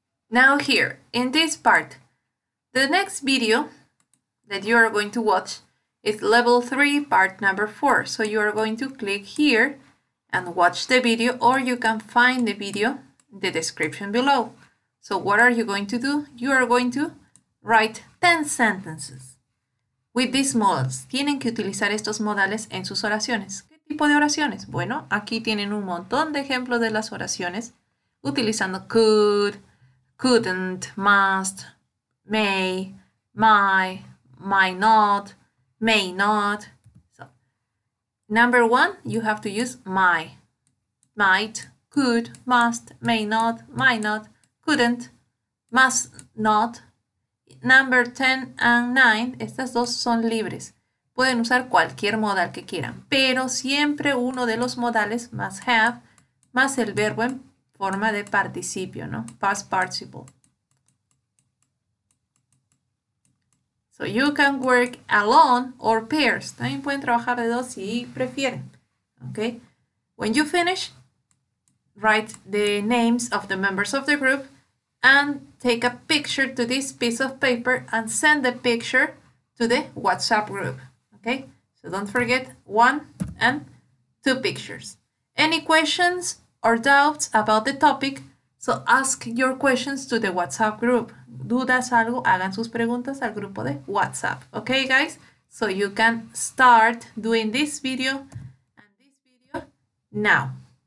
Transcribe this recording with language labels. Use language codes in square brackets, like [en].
[en] Now here, in this part, the next video that you are going to watch is level 3, part number 4. So you are going to click here and watch the video, or you can find the video in the description below. So what are you going to do? You are going to write 10 sentences with these modals. [es] Tienen que utilizar estos modales en sus oraciones. ¿Qué tipo de oraciones? Bueno, aquí tienen un montón de ejemplos de las oraciones utilizando could, couldn't, must, may, my, might not, may not. [en] So, number one, you have to use my. Might, could, must, may not, might not, couldn't, must not. Number 10 and 9, [es] estas dos son libres. Pueden usar cualquier modal que quieran, pero siempre uno de los modales, must have, más el verbo en forma de participio, ¿no? [en] Past participle. So you can work alone or pairs. [es] También pueden trabajar de dos si prefieren. Okay. [en] When you finish, write the names of the members of the group and take a picture to this piece of paper and send the picture to the WhatsApp group. Okay. So don't forget one and two pictures. Any questions or doubts about the topic, so ask your questions to the WhatsApp group. [es] Dudas algo, hagan sus preguntas al grupo de WhatsApp. [en] Okay, guys? So you can start doing this video now.